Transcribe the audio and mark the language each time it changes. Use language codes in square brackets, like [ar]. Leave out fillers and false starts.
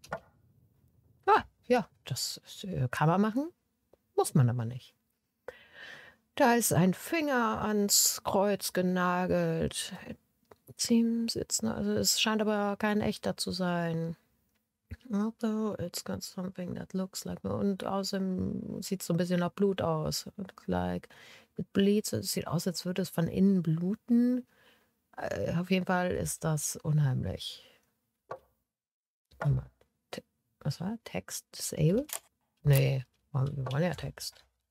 [de] Hm. Ah, ja, das kann man machen. Muss man aber nicht. Da ist ein Finger ans Kreuz genagelt. Team sitzen. Also es scheint aber kein echter zu sein. [en] Although it's got something that looks like me. [de] Und außerdem sieht es so ein bisschen nach Blut aus. [en] Like it bleeds. [de] Es sieht aus, als würde es von innen bluten. Auf jeden Fall ist das unheimlich. Was war? [en] Text disabled? [de] Nee, wir wollen ja Text.